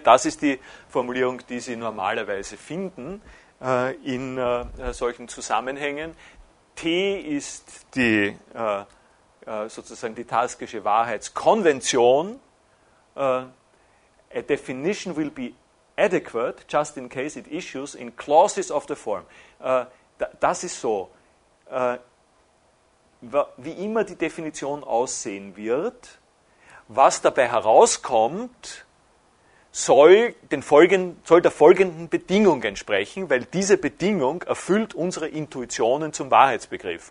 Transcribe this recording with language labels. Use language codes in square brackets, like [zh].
[de] Das ist die Formulierung, die Sie normalerweise finden in solchen Zusammenhängen. T ist die sozusagen die taskische Wahrheitskonvention. [en] A definition will be adequate just in case it issues in clauses of the form. [de] Das ist so. Wie immer die Definition aussehen wird, was dabei herauskommt, soll der folgenden Bedingung entsprechen, weil diese Bedingung erfüllt unsere Intuitionen zum Wahrheitsbegriff.